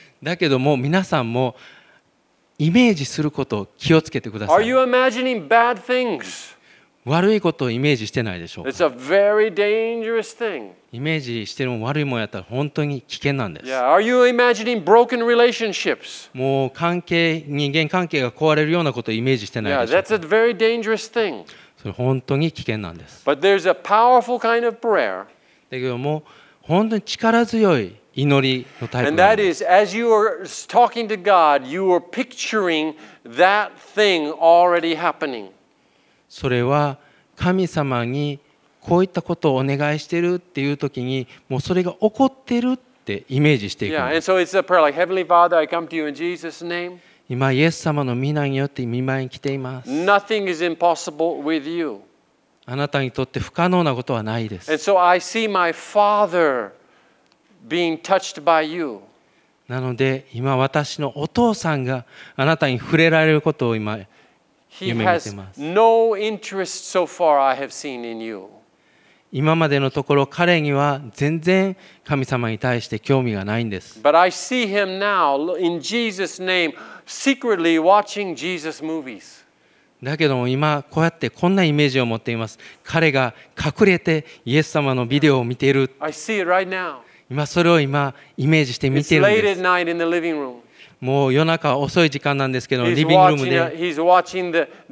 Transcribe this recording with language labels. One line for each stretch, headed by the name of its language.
Japanese: だけども皆さんもイメージすることを気をつけてください。
English: Are you imagining bad things?
Japanese: 悪いことをイメージしてないでしょうか。
English: It's a very dangerous thing.
Japanese: イメージしてるも悪いもんやったら本当に危険なんです。
English: Yeah. Are you imagining broken relationships?
Japanese: もう関係、人間関係が壊れるようなことをイメージしてないでしょうか。
English: Yeah. That's a very dangerous thing.
Japanese: それ本当に危険なんです。
English: But there's a powerful kind of prayer.
Japanese: だけども本当に力強い祈りのタイプ。
English: And that is, as you are talking to God, you are picturing that thing already happening.
Japanese: それは神様にこういったことをお願いしているっていう時に、もうそれが起こってるってイメージしていく。
English: Yeah, and so it's a prayer like, Heavenly Father, I come to you in Jesus' name.
Japanese: 今イエス様の御名によって御前に来ています。
English: Nothing is impossible with you.
Japanese: あなたにとって不可能なことはないです。
English: And so I see my Father. Being touched by you.
Japanese: なので今私のお父さんがあなたに触れられることを今夢見てます。
English: He has no interest so far I have seen in you.
Japanese: 今までのところ彼には全然神様に対して興味がないんです。
English: But I see him now in Jesus' name secretly watching Jesus movies.
Japanese: だけども今こうやってこんなイメージを持っています。彼が隠れてイエス様のビデオを見ている。
English: I see it right now.
Japanese: 今それを今イメージして見てるんです。もう夜中遅い時間なんですけど、リビングルームで。